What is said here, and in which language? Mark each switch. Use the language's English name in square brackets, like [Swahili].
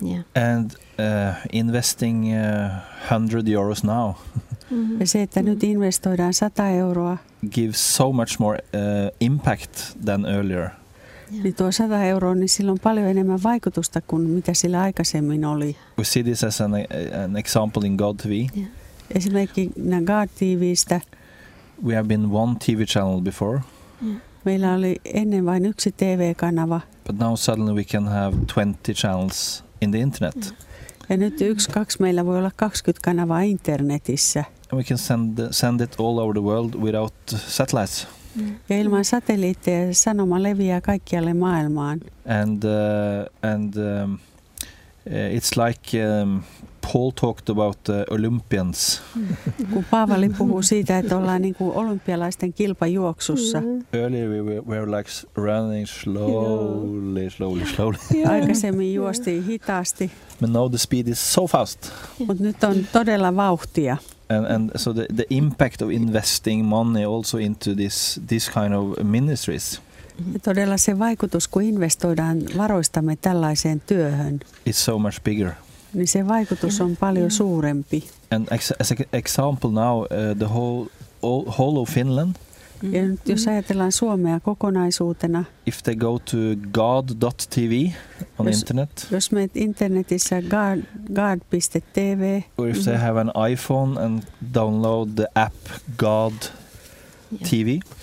[English] Yeah. And investing 100 euros now. Mm-hmm. [Finnish] Ja se, että nyt investoidaan 100 euroa. [English] Gives so much more impact than earlier. Yeah. [Finnish] Niin tuo 100 euroa, niin sillä on paljon enemmän vaikutusta kuin mitä sillä aikaisemmin oli. [English] We see this as an example in God TV. Yeah. [Finnish] Esimerkiksi God TV:stä. [English] We have been one TV channel before. Yeah. [Finnish] Meillä oli ennen vain yksi TV-kanava. [English] But now suddenly we can have 20 channels in the internet. Yeah. [Finnish] Ja nyt yksi, kaksi, meillä voi olla 20 kanavaa internetissä. [English] And we can send it all over the world without satellites. Mm. [Finnish] Ja ilman satelliitteja sanoma leviää kaikkialle maailmaan. [English] And it's like Paul talked about Olympians. [Finnish] Kun Paavali puhuu siitä, että ollaan niin kuin olympialaisten kilpajuoksussa. [English] Earlier we were like running slowly, slowly, slowly. [Finnish] Aikaisemmin juostiin hitaasti. [English] But now the speed is so fast. [Finnish] Mut nyt on todella vauhtia. [English] And so the impact of investing money also into this kind of ministries. [Finnish] Ja todella se vaikutus, kun investoidaan varoistamme tällaiseen työhön. [English] It's so much bigger. [Finnish] Niin se vaikutus on paljon suurempi. [English] And as an example now, the whole of Finland. [Finnish] Ja nyt jos ajatellaan Suomea kokonaisuutena. [English] If they go to god.tv on the internet. [Finnish] Jos menet internetissä god.tv. [English] Or if they have an iPhone and download the app god.tv.